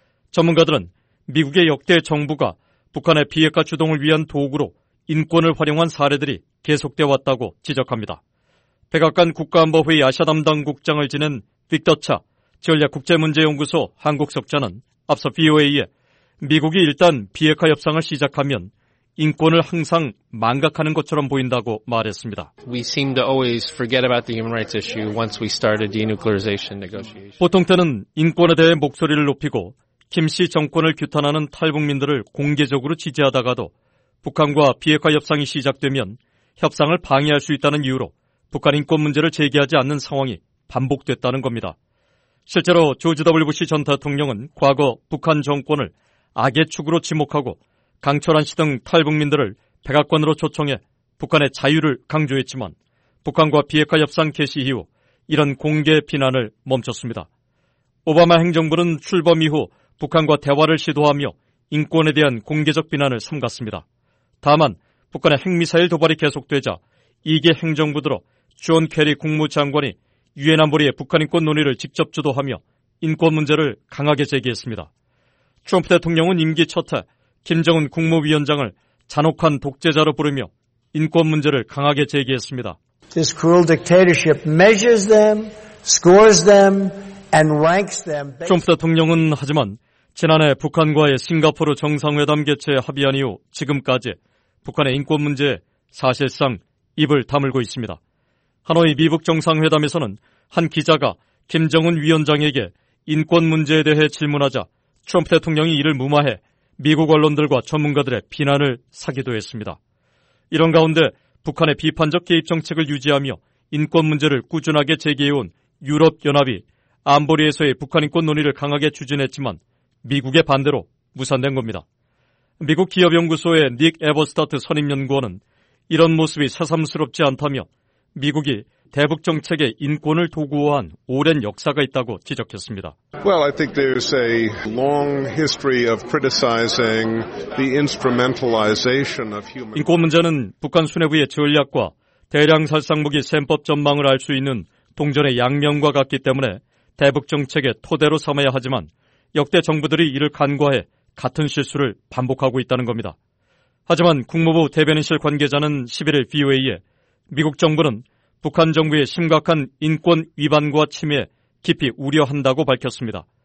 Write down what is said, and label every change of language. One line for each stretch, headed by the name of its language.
Korean: 전문가들은 미국의 역대 정부가 북한의 비핵화 주동을 위한 도구로 인권을 활용한 사례들이 계속돼 왔다고 지적합니다. 백악관 국가안보회의 아시아 담당 국장을 지낸 빅터 차 전략국제문제연구소 한국석좌는 앞서 VOA에 미국이 일단 비핵화 협상을 시작하면 인권을 항상 망각하는 것처럼 보인다고 말했습니다.
English: We seem to always forget about the human rights issue once we start a denuclearization negotiation.
Korean: 보통 때는 인권에 대해 목소리를 높이고 김씨 정권을 규탄하는 탈북민들을 공개적으로 지지하다가도 북한과 비핵화 협상이 시작되면 협상을 방해할 수 있다는 이유로 북한 인권 문제를 제기하지 않는 상황이 반복됐다는 겁니다. 실제로 조지 W. 부시 전 대통령은 과거 북한 정권을 악의 축으로 지목하고 강철한 씨 등 탈북민들을 백악관으로 초청해 북한의 자유를 강조했지만 북한과 비핵화 협상 개시 이후 이런 공개 비난을 멈췄습니다. 오바마 행정부는 출범 이후 북한과 대화를 시도하며 인권에 대한 공개적 비난을 삼갔습니다. 다만 북한의 핵미사일 도발이 계속되자 이계 행정부 들어 존 케리 국무장관이 유엔 안보리의 북한 인권 논의를 직접 주도하며 인권 문제를 강하게 제기했습니다. 트럼프 대통령은 임기 첫해 김정은 국무위원장을 잔혹한 독재자로 부르며 인권 문제를 강하게 제기했습니다.
English: This cruel dictatorship measures them, scores them, and ranks them.
Korean: 트럼프 대통령은 하지만 지난해 북한과의 싱가포르 정상회담 개최 합의안 이후 지금까지 북한의 인권 문제에 사실상 입을 다물고 있습니다. 하노이 미북 정상회담에서는 한 기자가 김정은 위원장에게 인권 문제에 대해 질문하자 트럼프 대통령이 이를 무마해 미국 언론들과 전문가들의 비난을 사기도 했습니다. 이런 가운데 북한의 비판적 개입 정책을 유지하며 인권 문제를 꾸준하게 제기해온 유럽연합이 안보리에서의 북한 인권 논의를 강하게 추진했지만 미국의 반대로 무산된 겁니다. 미국 기업연구소의 닉 에버스타트 선임연구원은 이런 모습이 새삼스럽지 않다며 미국이 대북 정책에 인권을 도구화한 오랜 역사가 있다고 지적했습니다.
English: Well, I think there's a long history of criticizing the instrumentalization of human.
Korean: 인권 문제는 북한 수뇌부의 전략과 대량 살상무기 셈법 전망을 알 수 있는 동전의 양면과 같기 때문에 대북 정책의 토대로 삼아야 하지만 역대 정부들이 이를 간과해 같은 실수를 반복하고 있다는 겁니다. 하지만 국무부 대변인실 관계자는 11일 VOA에 미국 정부는 북한 정부의 심각한 인권 위반과 침해에 깊이 우려한다고 밝혔습니다.